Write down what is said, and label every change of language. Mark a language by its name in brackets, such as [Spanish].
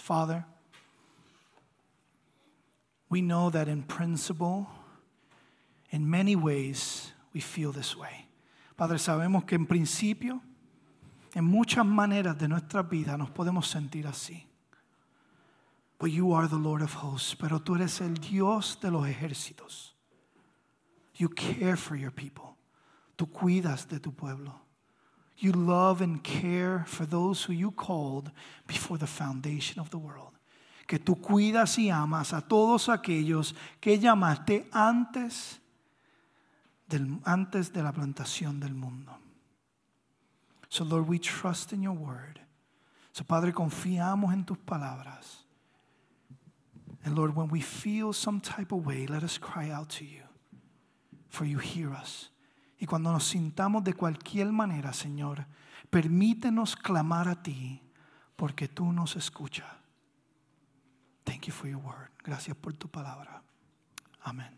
[English] Father, we know that in principle, in many ways, we feel this way. [Spanish] Padre, sabemos que en principio, en muchas maneras de nuestra vida, nos podemos sentir así. [English] But you are the Lord of hosts, [Spanish] pero tú eres el Dios de los ejércitos. [English] You care for your people. [Spanish] Tú cuidas de tu pueblo. [English] You love and care for those who you called before the foundation of the world. [Spanish] Que tú cuidas y amas a todos aquellos que llamaste antes de la plantación del mundo. [English] So Lord, we trust in your word. [Spanish] So Padre, confiamos en tus palabras. [English] And Lord, when we feel some type of way, let us cry out to you, for you hear us. [Spanish] Y cuando nos sintamos de cualquier manera, Señor, permítenos clamar a ti, porque tú nos escuchas. [English] Thank you for your word. [Spanish] Gracias por tu palabra. Amén.